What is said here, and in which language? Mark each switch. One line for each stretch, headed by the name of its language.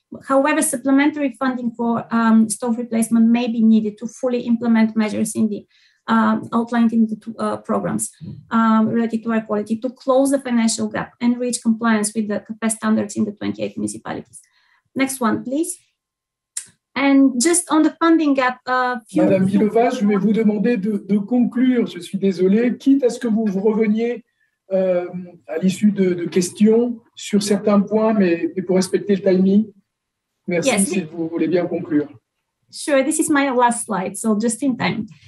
English: However, supplementary funding for stove replacement may be needed to fully implement measures in the outlined in the two programs related to air quality to close the financial gap and reach compliance with the CAPES standards in the 28 municipalities. Next one, please. And just on the funding gap,
French: Madame Milova, je vais vous demander de conclure. Je suis désolé. Quitte à ce que vous reveniez à l'issue de questions sur certains points, mais pour respecter le timing, merci
English: yes.
French: Si vous voulez bien conclure.
English: Sure, this is my last slide, so just in time.